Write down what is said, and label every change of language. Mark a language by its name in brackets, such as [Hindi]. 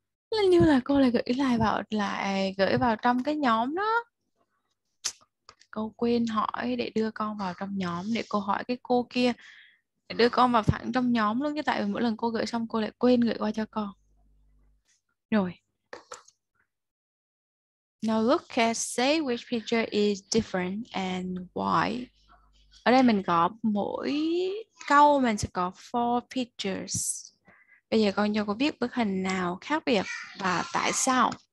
[Vietnamese] Linh như là cô lại gửi lại vào, lại gửi vào trong cái nhóm đó. Cô quên hỏi để đưa con vào trong nhóm, để cô hỏi cái cô kia, để đưa con vào thẳng trong nhóm luôn. Chứ tại vì mỗi lần cô gửi xong cô lại quên gửi qua cho con. Rồi. [English] Now look at, say which picture is different and why. [Vietnamese] Ở đây mình có mỗi câu mình sẽ có 4 pictures. Bây giờ con cho cô biết bức hình nào khác biệt và tại sao.